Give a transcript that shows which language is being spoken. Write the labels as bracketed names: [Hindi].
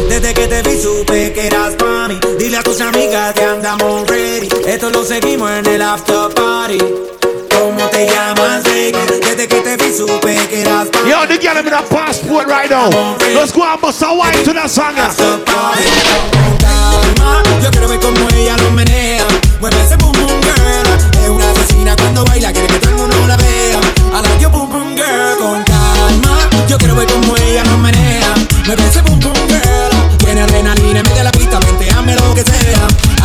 [Spanish] Desde que te vi supe que eras pa' mí. Dile a tus amigas que andamos ready. Esto lo seguimos en el after party. ¿Cómo te llamas, baby? Desde que te vi supe que eras pa' mí. [English] Yo, nigga, let me that passport right now. Let's go and bust a wine to that song. [Spanish] Calma, yo quiero ver cómo ella lo menea. Mueve ese boom boom girl. Es una asesina cuando baila, quiere que todo el mundo la vea. A la yo boom boom girl. Con calma, yo quiero ver cómo ella lo menea. Mueve ese boom boom girl. Tiene adrenalina en medio de la pista, venteame lo que sea.